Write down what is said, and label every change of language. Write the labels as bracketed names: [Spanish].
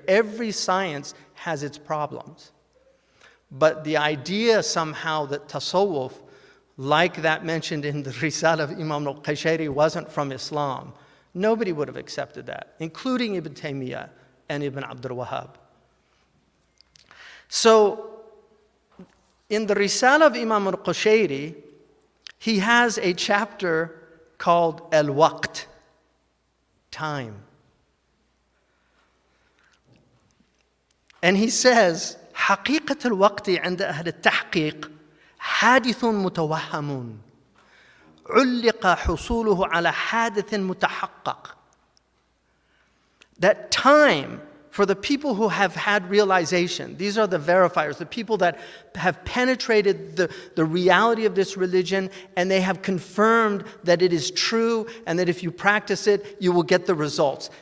[English] Every science has its problems. But the idea somehow that tasawwuf, like that mentioned in the Risala of Imam al-Qushayri, wasn't from Islam, nobody would have accepted that, including Ibn Taymiyyah and Ibn Abd al-Wahhab. So, in the Risala of Imam al-Qushayri, he has a chapter called Al-Waqt, time. And he says, [Arabic] حَقِيقَةَ الْوَقْتِ عَنْدَ أَهْلِ التَّحْقِيقِ حَادِثٌ مُتَوَهَّمٌ عُلِّقَ حُصُولُهُ عَلَى حَادِثٍ مُتَحَقَّقٍ. [English] That time, for the people who have had realization, these are the verifiers, the people that have penetrated the reality of this religion, and they have confirmed that it is true, and that if you practice it, you will get the results.